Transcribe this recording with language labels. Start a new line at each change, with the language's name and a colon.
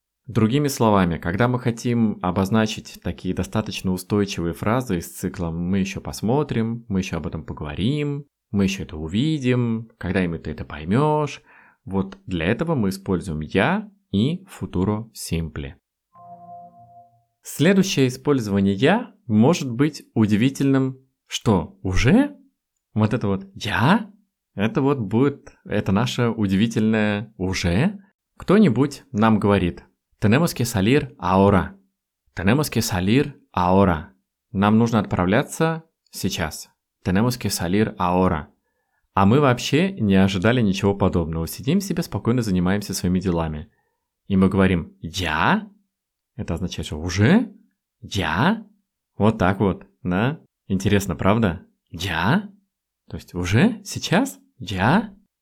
Russian: Другими словами, когда мы хотим обозначить такие достаточно устойчивые фразы из цикла «мы еще посмотрим», «мы еще об этом поговорим», «мы еще это увидим», «когда-нибудь ты это поймешь», вот для этого мы используем «я» и «futuro simple». Следующее использование «я» может быть удивительным. Что, уже? Вот это вот «я»? Это вот будет, это наше удивительное «уже»? Кто-нибудь нам говорит:
Spanish: «Tenemos que salir ahora». «Tenemos que salir ahora».
Russian: «Нам нужно отправляться сейчас».
Spanish: «Tenemos que salir ahora».
Russian: А мы вообще не ожидали ничего подобного. Сидим себе, спокойно занимаемся своими делами. И мы говорим «Я?» Это означает, что «Уже? Я?» Вот так вот, да? Интересно, правда? «Я?» То есть «Уже? Сейчас? Я?»